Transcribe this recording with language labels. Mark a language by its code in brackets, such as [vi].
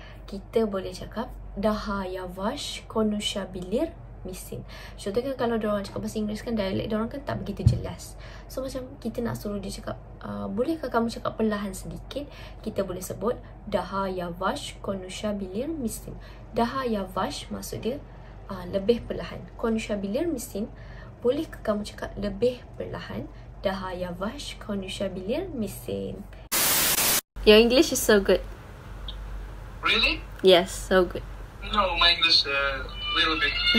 [ms] Kita boleh cakap [tr] daha yavaş konuşabilir misin. [ms] Contohnya kan kalau diorang cakap bahasa Inggeris kan, dialek diorang kan tak begitu jelas. So macam kita nak suruh dia cakap, bolehkah kamu cakap perlahan sedikit? Kita boleh sebut [tr] daha yavaş konuşabilir misin. Daha yavaş [ms] maksud dia lebih perlahan. [tr] Konuşabilir misin? [ms] Bolehkah kamu cakap lebih perlahan? [tr] Daha yavaş konuşabilir misin? [en] Your English is so good. Really? Yes, so good. No, my English a little bit.